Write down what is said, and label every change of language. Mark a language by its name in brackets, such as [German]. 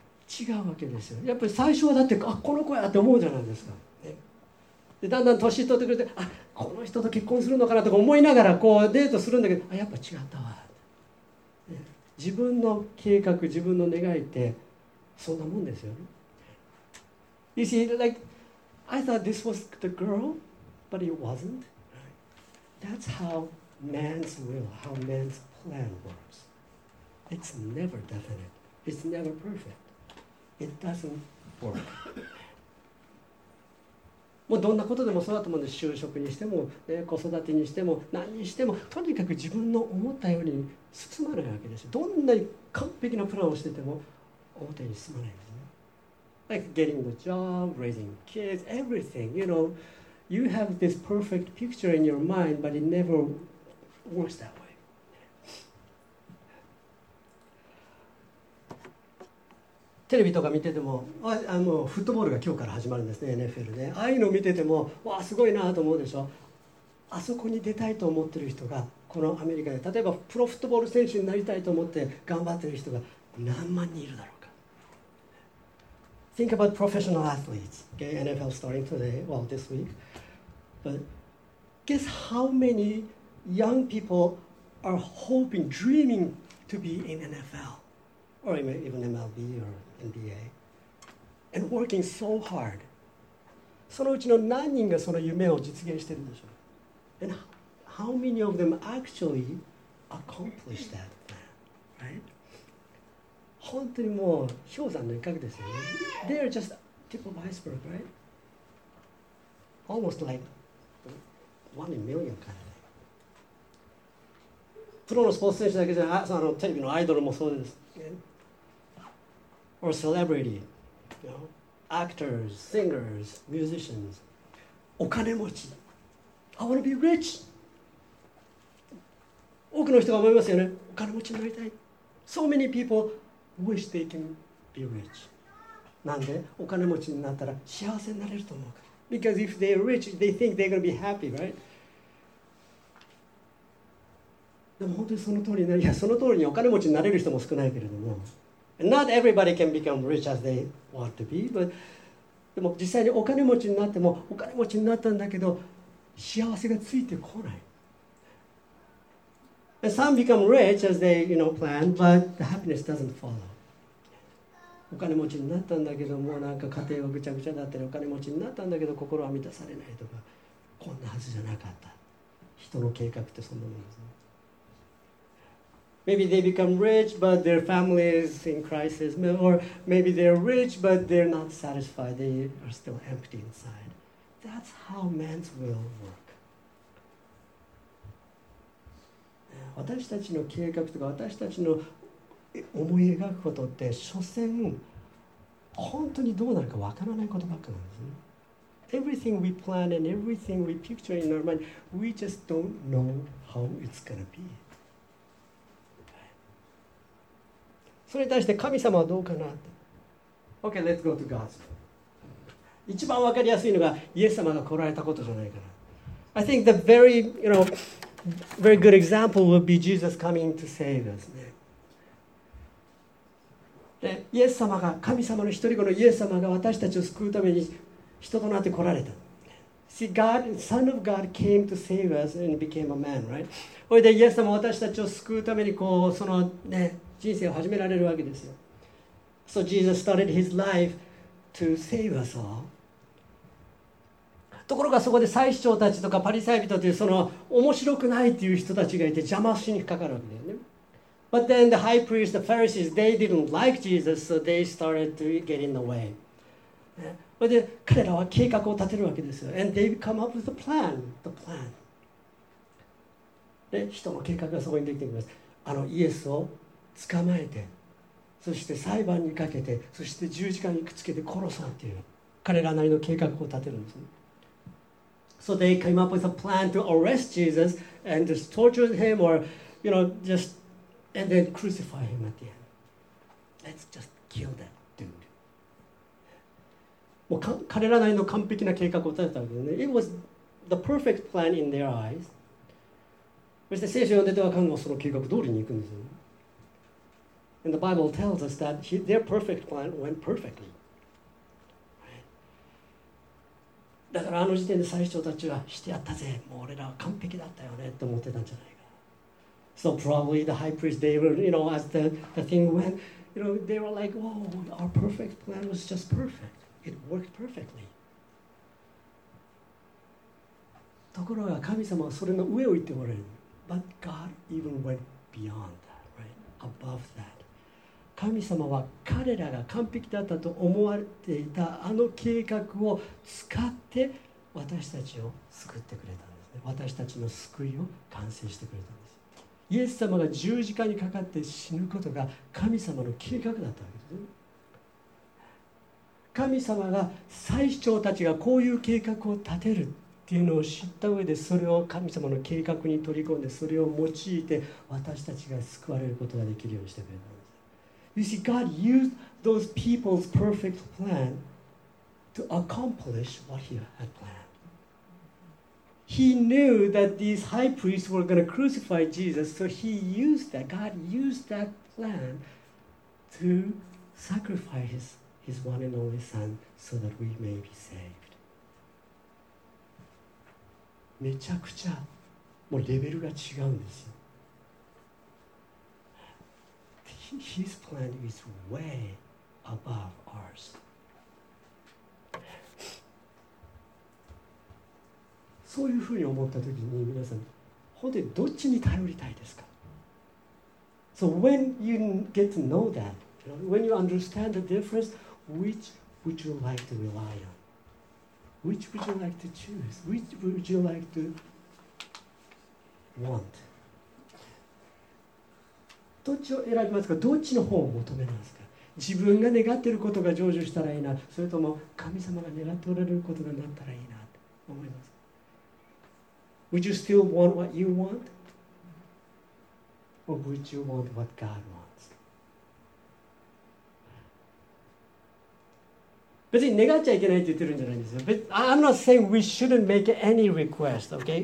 [Japanese] 違うわけですよ。やっぱり最初はだってあこの子やって思うじゃないですか。でだんだん年取ってくれて、あ、この人と結婚するのかなとか思いながらこうデートするんだけど、あ、やっぱ違ったわ。自分の計画、自分の願いってそんなもんですよね。 [English] You see, like, I thought this was the girl, but it wasn't. That's how man's will, how man's plan works. It's never definite. It's never perfect. It doesn't work. [Japanese] もうどんなことでもそうだと思うんです。就職にしても、ね、子育てにしても、何にしても、とにかく自分の思ったように進まないわけです。どんなに完璧なプランをしてても、表に進まないんですね。 [English] Like getting the job, raising kids, everything. You know, you have this perfect picture in your mind, but it never works that way. [Japanese] テレビとか見てても、あのフットボールが今日から始まるんですね、NFL で。ああいうの見てても、わあすごいなと思うでしょ。あそこに出たいと思ってる人が、このアメリカで、例えばプロフットボール選手になりたいと思って頑張ってる人が何万人いるだろうか。 [English] Think about professional athletes. Okay, NFL starting today, well, this week. But guess how many young people are hoping, dreaming to be in NFL? Or even MLB or NBA, and working so hard. [Japanese] そのうちの何人がその夢を実現してるんでしょう。 [English] And how many of them actually accomplish that plan? Right? [Japanese] 本当にもう氷山の一角ですよね。 [English] They are just tip of iceberg, right? Almost like one in million kind of thing. [Japanese] プロのスポーツ選手だけじゃなくて、あのテレビのアイドルもそうです。 [English] Or celebrity, you know, actors, singers, musicians. [Japanese] お金持ち。 [English] I want to be rich. [Japanese] 多くの人が思いますよね。お金持ちになりたい。 [English] So many people wish they can be rich. [Japanese] なんでお金持ちになったら幸せになれると思うか。 [English] Because if they're rich, they think they're going to be happy, right? [Japanese] でも本当にその通りになる。いや、その通りにお金持ちになれる人も少ないけれども。 [English] Not everybody can become rich as they want to be, but [Japanese] でも実際にお金持ちになってもお金持ちになったんだけど幸せがついてこない。 [English] And some become rich as they, you know, plan, but the happiness doesn't follow. [Japanese] お金持ちになったんだけどもうなんか家庭はぐちゃぐちゃだったり、お金持ちになったんだけど心は満たされないとか、こんなはずじゃなかった。人の計画ってそんなものですね。 [English] Maybe they become rich, but their family is in crisis. Or maybe they're rich, but they're not satisfied. They are still empty inside. That's how man's will work. [Japanese] 私たちの計画とか私たちの思い描くことって、所詮本当にどうなるかわからないことばっかなんですね。 [English] Everything we plan and everything we picture in our mind, we just don't know how it's going to be. [Japanese] それに対して神様はどうかなって。 [English] OK, let's go to God's plan. [Japanese] 一番わかりやすいのがイエス様が来られたことじゃないかな。 [English] I think the very, you know, very good example would be Jesus coming to save us. [Japanese] で、イエス様が、神様の一人子のイエス様が私たちを救うために人となって来られた。 [English] See, God, Son of God came to save us and became a man, right? それ [Japanese] でイエス様は私たちを救うためにこう、そのね、人生を始められるわけですよ。 [English] So Jesus started his life to save us all. [Japanese] ところがそこで祭司長たちとかパリサイ人というその面白くないという人たちがいて邪魔しにかかるわけだよね。 [English] But then the high priest, the Pharisees, they didn't like Jesus, so they started to get in the way. [Japanese] それで彼らは計画を立てるわけですよ。 [English] And they come up with a plan, the plan. [Japanese] で、人の計画がそこにできてきます。あのイエスを捕まえて、そして裁判にかけて、そして十字架にくっつけて殺そうという彼らなりの計画を立てるんですね。 [English] So they came up with a plan to arrest Jesus and just torture him or, you know, just, and then crucify him at the end. Let's just kill that dude. [Japanese] もう彼らなりの完璧な計画を立てたわけですね。 [English] It was the perfect plan in their eyes. [Japanese] そして聖書を読んでてわかるのはその計画通りに行くんですよね。 [English] And the Bible tells us that their perfect plan went perfectly. [Japanese] だからあの時点で最初たちはしてやったぜ、もう俺らは完璧だったよねと思ってたんじゃないか。 [English] So probably the high priest they were, you know, as the thing went, you know, they were like, oh, our perfect plan was just perfect. It worked perfectly. [Japanese] ところが神様はそれの上を言っておられる。 [English] But God even went beyond that, right? Above that. [Japanese] 神様は彼らが完璧だったと思われていたあの計画を使って私たちを救ってくれたんですね。私たちの救いを完成してくれたんです。イエス様が十字架にかかって死ぬことが神様の計画だったわけですね。神様が祭司長たちがこういう計画を立てるっていうのを知った上でそれを神様の計画に取り込んでそれを用いて私たちが救われることができるようにしてくれた。 [English] You see, God used those people's perfect plan to accomplish what he had planned. He knew that these high priests were going to crucify Jesus, so he used that. God used that plan to sacrifice his one and only son so that we may be saved. [Japanese] めちゃくちゃもうレベルが違うんですよ。 [English] His plan is way above ours. [Japanese] そういうふうに思ったときに皆さん、本当にどっちに頼りたいですか? [English] So when you get to know that, you know, when you understand the difference, which would you like to rely on? Which would you like to choose? Which would you like to want? [Japanese] どっちを選びますか。どっちの方を求めますか。自分が願っていることが成就したらいいな、それとも神様が願っておられることがなったらいいなと思いますか。 [English] Would you still want what you want? Or would you want what God wants? [Japanese] 別に願っちゃいけないって言ってるんじゃないんですよ。 [English] But I'm not saying we shouldn't make any request, okay?